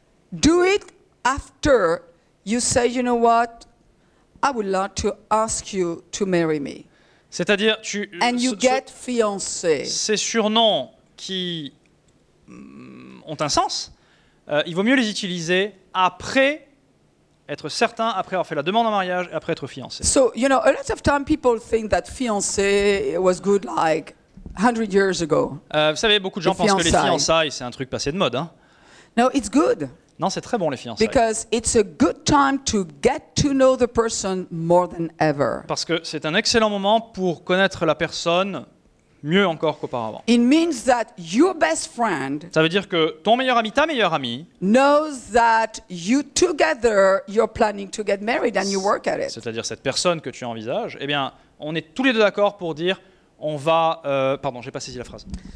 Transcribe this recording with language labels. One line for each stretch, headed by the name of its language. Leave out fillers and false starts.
English: Do it after you say, you know what, I would like to ask you to marry me.
French: C'est-à-dire, tu.
English: And you get fiancé.
French: Ces surnoms qui ont un sens, il vaut mieux les utiliser après être certain, après avoir fait la demande en mariage et après être fiancé.
English: So, you know, a lot of time people think that fiancé was good like 100 years ago.
French: Vous savez, beaucoup de gens pensent que les fiançailles, c'est un truc passé de mode. Hein.
English: No, it's good.
French: Non, c'est très bon les fiançailles. Parce que c'est un excellent moment pour connaître la personne mieux encore qu'auparavant.
English: It means that your best friend,
French: ça veut dire que ton meilleur ami, ta meilleure amie,
English: knows that you together you're planning to get married and you work at it.
French: C'est-à-dire cette personne que tu envisages, eh bien, on est tous les deux d'accord pour dire on va pardon, j'ai pas saisi la phrase.